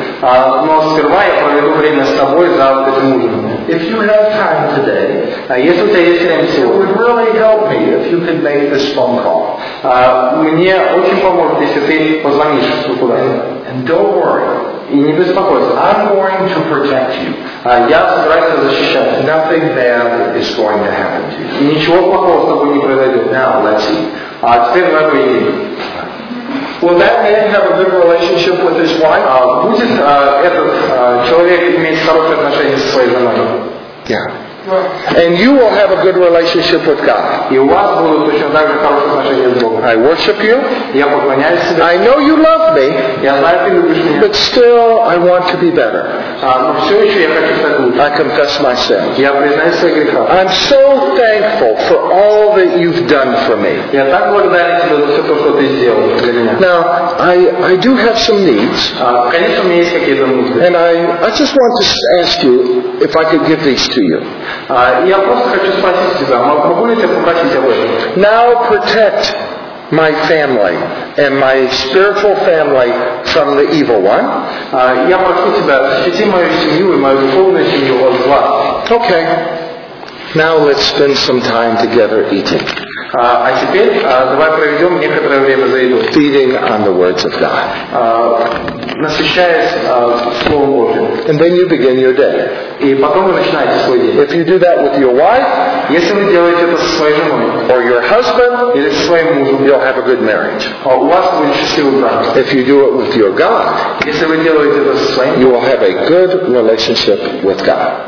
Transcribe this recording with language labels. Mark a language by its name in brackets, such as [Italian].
[Russian] Но сперва я проведу время с тобой за вот этим ужином. [English] If you have time today, [Russian] если у тебя есть время сегодня, [English] it would really help me if you could make this phone call. [Russian] Мне очень поможет, если ты позвонишь куда-то. [English] And don't worry. [Russian] И не беспокойся. [English] I'm going to protect you. [Russian] Я собираюсь защищать. [English] Nothing bad is going to happen to you. [Russian] Ничего плохого с тобой не произойдет. [English] Now let's eat. [Russian] А теперь давай поедим. [English] Will that man have a good relationship with his wife? [Russian] Будет этот человек иметь хорошие отношения со своей женой? [English] Yeah. And you will have a good relationship with God. I worship you. I know you love me. But still, I want to be better. I confess my sins. I'm so thankful for all that you've done for me. Now, I do have some needs. And I just want to ask you if I could give these to you. [Russian] Я просто хочу спросить тебя, могу ли я тебя попросить об этом? [English] Now protect my family and my spiritual family from the evil one. [Russian] Я прошу тебя, защити мою семью и мою духовную семью от зла. [English] Okay. Now let's spend some time together eating. [Russian] А теперь давай проведем некоторое время за едой. [English] Feeding on the words of God. [Russian] Насыщаясь Словом Божьим. [English] And then you begin your day. [Russian] И потом вы начинаете свой день. [English] If you do that with your wife, [Russian] если вы делаете это со своей женой, [English] or your husband, [Russian] или со своим мужем, [English] you'll have a good marriage. [Russian] У вас будет счастливый брак. [English] If you do it with your God, [Russian] если вы делаете это со своим, [English] you will have a good relationship with God.